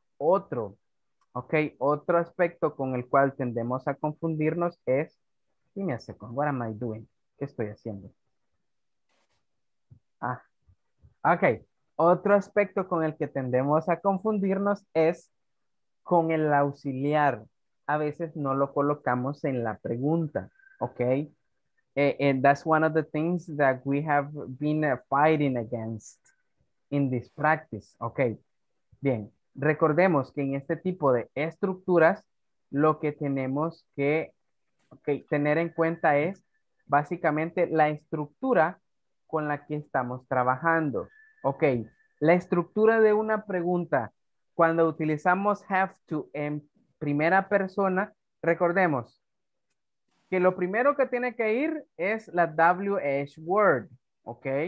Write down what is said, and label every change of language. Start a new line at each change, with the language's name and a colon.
Spanish: Otro, okay, otro aspecto con el cual tendemos a confundirnos es, dime
English: a second, what am I doing?
Spanish: ¿Qué estoy haciendo?
English: Ah, okay.
Spanish: Otro aspecto con el que tendemos a confundirnos es con el auxiliar. A veces no lo colocamos en la pregunta, okay?
English: And that's one of the things that we have been fighting against in this practice, okay?
Spanish: Bien, recordemos que en este tipo de estructuras lo que tenemos que tener en cuenta es básicamente la estructura con la que estamos trabajando, okay? La estructura de una pregunta cuando utilizamos have to en primera persona, recordemos que lo primero que tiene que ir es la WH word, ¿ok?